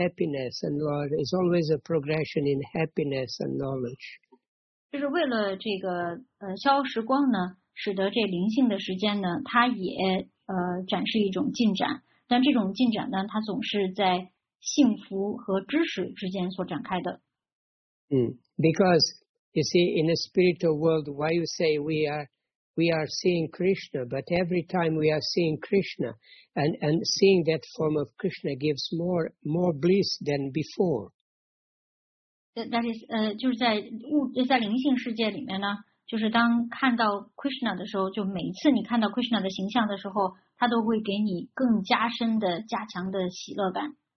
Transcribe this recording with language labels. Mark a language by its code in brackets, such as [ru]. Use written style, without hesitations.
[en] Happiness and knowledge is always a progression in happiness and knowledge. [zh] 就是为了这个消时光呢，使得这灵性的时间呢，它也展示一种进展。但这种进展呢，它总是在幸福和知识之间所展开的。 [en] Because you see, in a spiritual world, why you say we are seeing Krishna, but every time we are seeing Krishna, and seeing that form of Krishna gives more bliss than before. That is, [zh] 就是在灵性世界里面呢，就是当看到 Krishna 的时候，就每一次你看到 Krishna 的形象的时候，它都会给你更加深的、加强的喜乐感。